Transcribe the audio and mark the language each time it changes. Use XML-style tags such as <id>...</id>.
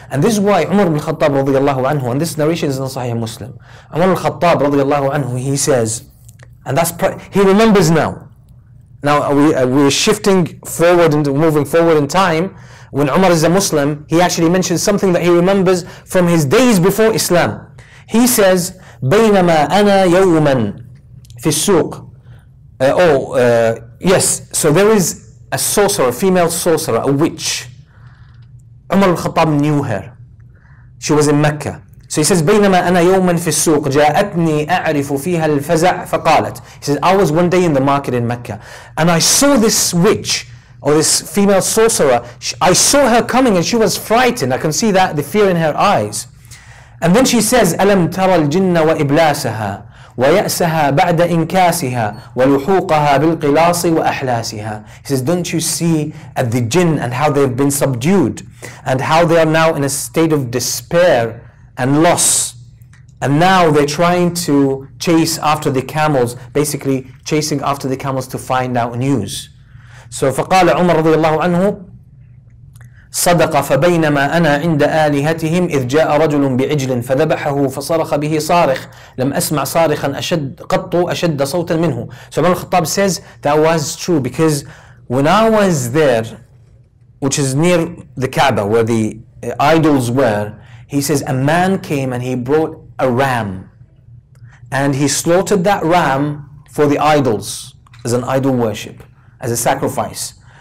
<en>And this is why Umar ibn Khattab radiallahu anhu, and this narration is in Sahih Muslim, Umar ibn Khattab radiallahu anhu, he says, and that's he remembers now. Now we're shifting forward and moving forward in time. When Umar is a Muslim, he actually mentions something that he remembers from his days before Islam. He says,</en> <ar>بينما أنا يوما في السوق.</ar> <en>Yes. So there is a sorcerer, a female sorcerer, a witch. Umar al-Khattab knew her. She was in Mecca. So he says,</en> <ar>بينما أنا يوما في السوق جاءتني أعرف فيها الفزع فقالت.</ar> <en>He says, I was one day in the market in Mecca, and I saw this witch, or this female sorcerer. I saw her coming, and she was frightened. I can see that the fear in her eyes. And then she says,</en> <ar>أَلَمْ تَرَى الْجِنَّ وَإِبْلَاسَهَا وَيَأْسَهَا بَعْدَ إِنْكَاسِهَا وَلُحُوقَهَا بِالْقِلَاصِ وَأَحْلَاسِهَا.</ar> <en>He says, don't you see at the jinn and how they've been subdued and how they are now in a state of despair and loss. And now they're trying to chase after the camels, basically chasing after the camels to find out news. So</en> <ar>فَقَالَ عُمَرْ رَضِيَ اللَّهُ عَنْهُ صدق فبينما أنا عند آلهتهم إذ جاء رجل بعجل فذبحه فصرخ به صارخ لم أسمع صارخا أشد قط أشد صوتا منه.</ar> <en>So Umar al-Khattab says that was true, because when I was there, which is near the Kaaba where the idols were, he says a man came and he brought a ram and he slaughtered that ram for the idols as an idol worship, as a sacrifice.</en>